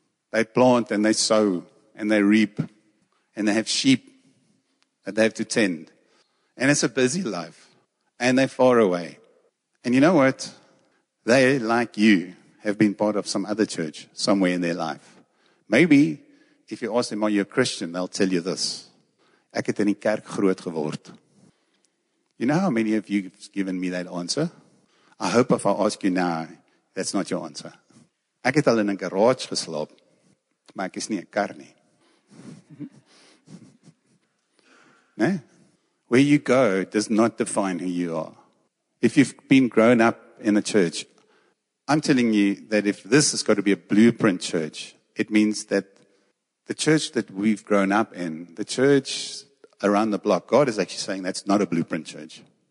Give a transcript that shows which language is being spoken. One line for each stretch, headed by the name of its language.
English: They plant and they sow and they reap. And they have sheep that they have to tend. And it's a busy life. And they're far away. And you know what? They, like you, have been part of some other church somewhere in their life. Maybe if you ask them, are you a Christian? They'll tell you this.
Afrikaans: Ek het in die kerk groot geword.
English: You know how many of you have given me that answer? I hope if I ask you now, that's not your answer.
Afrikaans: Ek het al in 'n garage geslaap, maar ek is nie 'n kar nie. Nee?
English: Where you go does not define who you are. If you've been grown up in a church, I'm telling you that if this has got to be a blueprint church, it means that the church that we've grown up in, the church around the block, God is actually saying that's not a blueprint church.